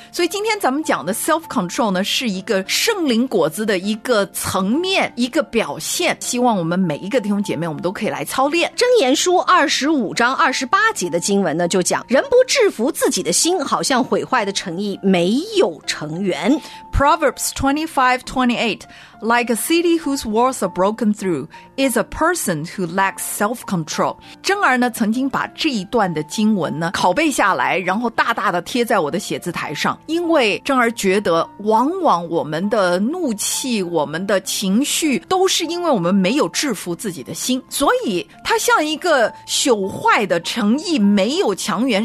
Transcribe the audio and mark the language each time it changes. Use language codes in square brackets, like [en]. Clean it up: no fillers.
[zh] 所以今天咱们讲的 self control 呢，是一个圣灵果子的一个层面，一个表现，希望我们每一个弟兄姐妹我们都可以来操练。箴言书25:28的经文呢，就讲人不制服自己的心，好像毁坏的诚意没有成员。 [en] Proverbs 25:28, Like a city whose walls are broken through is a person who lacks self-control. [zh] 真儿呢曾经把这一段的经文呢拷贝下来，然后大大的贴在我的写字台上，因为真儿觉得往往我们的怒气，我们的情绪都是因为我们没有制服自己的心，所以它像一个朽坏的城邑没有墙垣。